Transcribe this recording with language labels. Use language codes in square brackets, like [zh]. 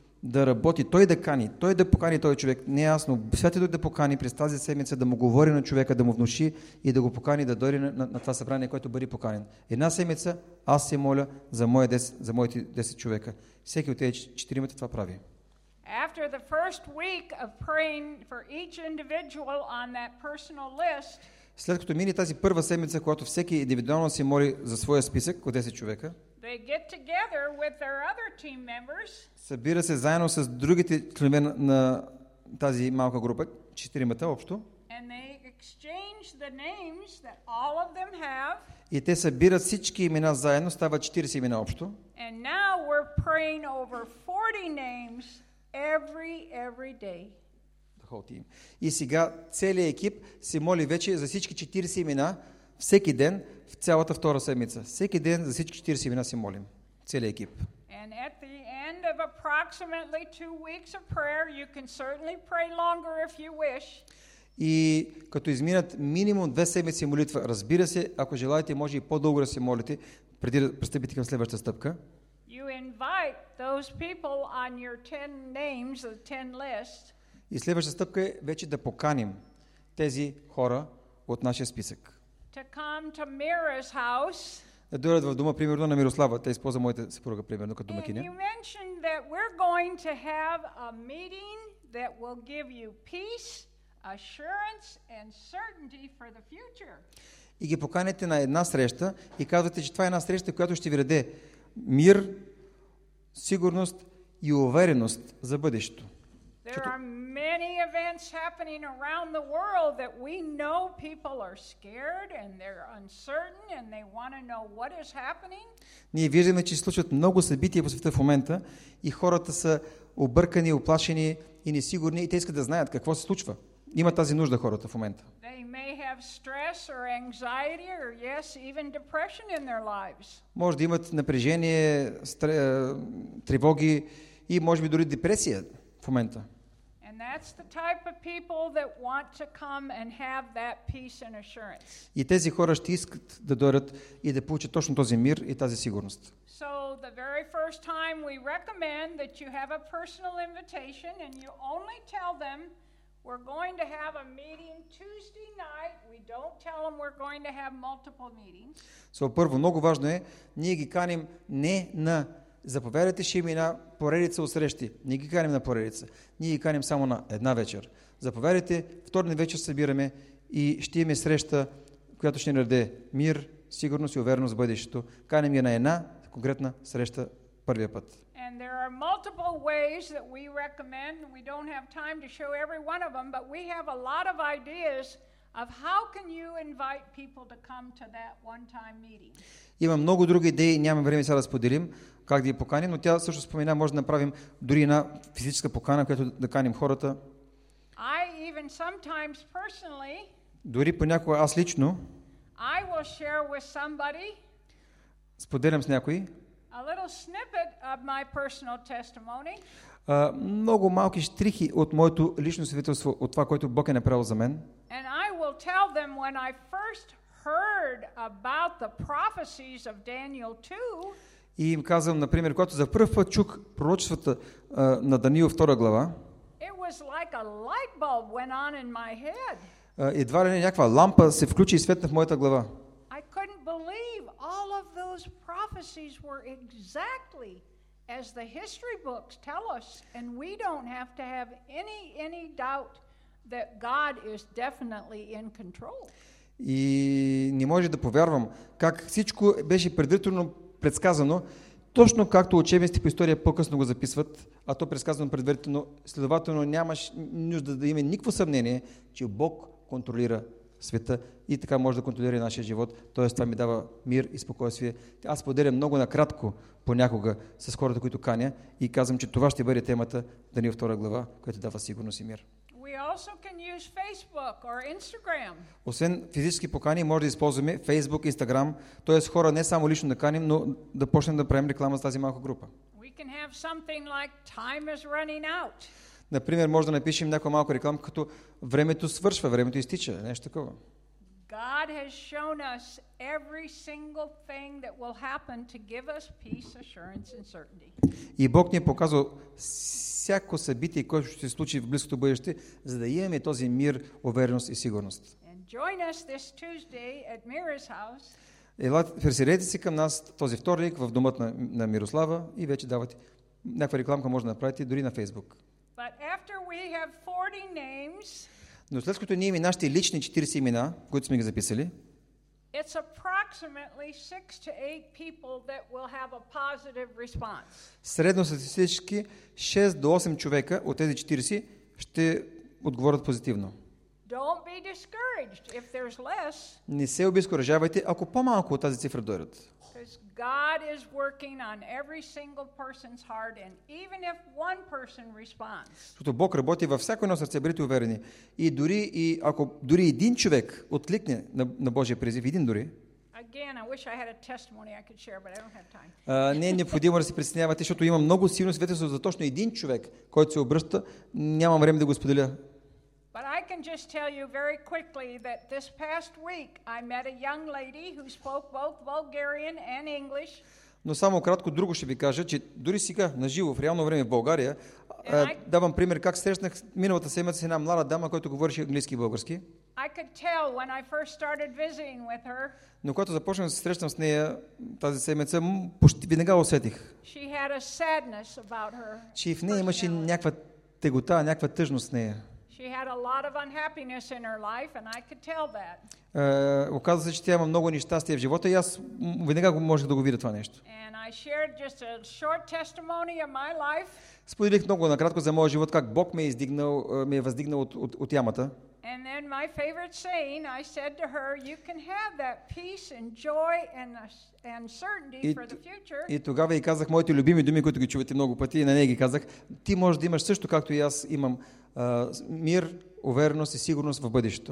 [bg] да работи, той да кани, той да покани този човек, не е ясно, Святия Дух да покани през тази седмица, да му говори на човека, да му внуши и да го покани да дойде на това събрание, което бъде поканен. Една седмица аз се моля за моите 10 човека. Всеки от тези четиримата това прави. [en] After the first week of praying for each individual on that personal list, [bg] след като мине тази първа седмица, когато всеки индивидуално се моли за своя списък от 10 човека, [en] they get together with their other team members, [bg] събира се заедно с другите членове на тази малка група, четиримата общо, [en] and they exchange the names that all of them have, [bg] и те събират всички имена заедно, става 40 имена общо, [en] and now we're praying over 40 names every day. [bg] И сега целият екип се моли вече за всички 40 имена всеки ден в цялата втора седмица. Всеки ден за всички 40 имена се молим. Целият екип. [en] And at the end of approximately 2 weeks of prayer, you can certainly pray longer if you wish. [bg] И като изминат минимум 2 седмици молитва, разбира се, ако желаете, може и по-дълго да се молите, преди да пристъпите към следващата стъпка. [en] You invite those people on your 10 names, the 10 list. [bg] И следващата стъпка е вече да поканим тези хора от нашия списък. [en] To come to Mira's house. [bg] Да дойдат в дома, примерно, на Мирослава. Те използва моята съпруга, примерно, като домакиня. [en] And you mentioned that we're going to have a meeting that will give you peace, assurance and certainty for the future. [bg] И ги поканете на една среща и казвате, че това е една среща, която ще ви даде мир, сигурност и увереност за бъдещето. [en] There are many events happening around the world that we know people are scared and they're uncertain and they want to know what is happening. [bg] Ние виждаме, че случват много събития по света в момента и хората са объркани, оплашени и несигурни и те искат да знаят какво се случва. Има тази нужда хората в момента. [en] They may have stress or anxiety or yes, even depression in their lives. [bg] Може да имат напрежение, тревоги и може би дори депресия. [en] And that's the type of people that want to come and have that peace and assurance. [bg] И тези хора ще искат да дойдат и да получат точно този мир и тази сигурност. [en] So the very first time we recommend that you have a personal invitation and you only tell them we're going to have a meeting Tuesday night. We don't tell them we're going to have multiple meetings. [bg] So първо много важно е ние ги каним не на заповядайте, ще има една поредица от срещи. Не ги каним на поредица. Ние ги каним само на една вечер. Заповядайте, вторник вечер събираме и ще имаме среща, която ще ни даде мир, сигурност и увереност в бъдещето. Каним ги на една конкретна среща първия път. [en] And there are multiple ways that we recommend. We don't have time to show every one of them, but we have a lot of ideas of how can you invite people to come to that one-time meeting. [bg] Има много други идеи, нямаме време сега да споделим как да ги поканим, но тя също спомена, може да направим дори една физическа покана, която да каним хората. [en] I even sometimes personally, [bg] дори понякога аз лично [en] I will share with somebody, [bg] споделям с някой [en] a little snippet of my personal testimony, [bg] много малки штрихи от моето лично свидетелство, от това, което Бог е направил за мен. [en] And I will tell them when I first heard about the prophecies of Daniel 2, [bg] и им казвам, например, когато за първ път чух пророчествата на Даниил 2 глава, [en] it was like a light bulb went on in my head. [bg] Едва ли не някаква лампа се включи и светна в моята глава. [en] I couldn't believe all of those prophecies were exactly as the history books tell us, and we don't have to have any doubt that God is definitely in control. [bg] И не може да повярвам как всичко беше предварително предсказано, точно както учебниците по история по-късно го записват, а то предсказано предварително, следователно нямаш нужда да има никакво съмнение, че Бог контролира света и така може да контролира и нашия живот. Тоест това ми дава мир и спокойствие. Аз поделям много накратко понякога с хората, които каня и казвам, че това ще бъде темата Даниил 2 глава, която дава сигурност и мир. [en] We also can use Facebook or Instagram. [bg] Освен физически покани, може да използваме Facebook, Instagram, т.е. хора не само лично да каним, но да почнем да правим реклама с тази малка група. [en] We can have something like time is running out. [bg] Например, може да напишем някаква малка реклама, като времето свършва, времето изтича, нещо такова. [en] God has shown us every single thing that will happen to give us peace, assurance and certainty. [bg] И Бог ни е показал всяко събитие, което ще се случи в близкото бъдеще, за да имаме този мир, увереност и сигурност. [en] And join us this Tuesday at Mira's house. [bg] Присъединете се към нас този вторник в домът на Мирослава и вече давате някаква рекламка, може да направите дори на Facebook. [en] But after we have 40 names, [bg] но след като ние имаме нашите лични 40 имена, които сме ги записали, [en] it's approximately 6 to 8 people that will have a positive response. [bg] Средно статистически 6 до 8 човека от тези 40 ще отговорят позитивно. [en] Don't be discouraged if there's less. [bg] Не се обезкуражавайте, ако по-малко от тази цифра дойдат. [en] Because God is working on every single person's heart, and even if one person responds. [bg] Защото Бог работи във всяко едно сърце, бъдете уверени. И дори и ако дори един човек откликне на Божия призив, един дори. [en] Again, I wish I had a testimony I could share, but I don't have time. [bg] Не е необходимо да се присъединявате, защото има много силно свидетелство за точно един човек, който се обръща. Нямам време да го споделя. [en] But I can just tell you very quickly that this past week I met a young lady who spoke both Bulgarian and English. [bg] Но само кратко друго ще ви кажа, че дори сега на живо в реално време в България давам пример как срещнах миналата седмица една млада дама, която говореше английски и български. [en] I could tell when I first started visiting with her. [bg] Но когато започнах да се срещам с нея тази седмица, почти веднага усетих. [en] She had a sadness about her. [bg] Че в нея имаше някаква тегота, някаква тъжност с нея. [en] She had a lot of unhappiness in her life and I could tell that. [bg] Оказва се, че тя има много нещастие в живота и аз веднага можех да го видя това нещо. [en] And I shared just a short testimony of my life. [bg] Споделих много накратко за моя живот, как Бог ме е издигнал, ме е въздигнал от ямата. [en] And then my favorite saying, I said to her, you can have that peace and joy and certainty for the future. [bg] И тогава и казах моите любими думи, които ги чувате много пъти, и на нея ги казах, ти можеш да имаш също както и аз имам мир, увереност и сигурност в бъдещето.